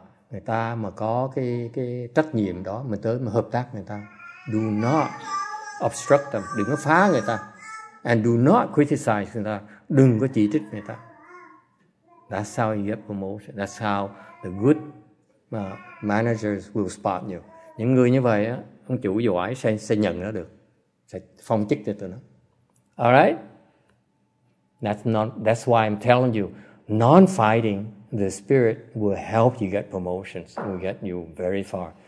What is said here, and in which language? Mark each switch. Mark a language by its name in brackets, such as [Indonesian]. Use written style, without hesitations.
[Vietnamese] Người ta mà có cái trách nhiệm đó, mình tới mà hợp tác người ta. [English] Do not obstruct them. [Vietnamese] Đừng có phá người ta. [English] And do not criticize [Vietnamese] người ta. Đừng có chỉ trích người ta. [English] That's how you get promotion. That's how the good managers will spot you. [Vietnamese] Những người như vậy á, ông chủ giỏi sẽ nhận nó được. Sẽ phong chức cho tụi nó. [English] Alright? That's why I'm telling you, non-fighting the spirit will help you get promotions, will get you very far.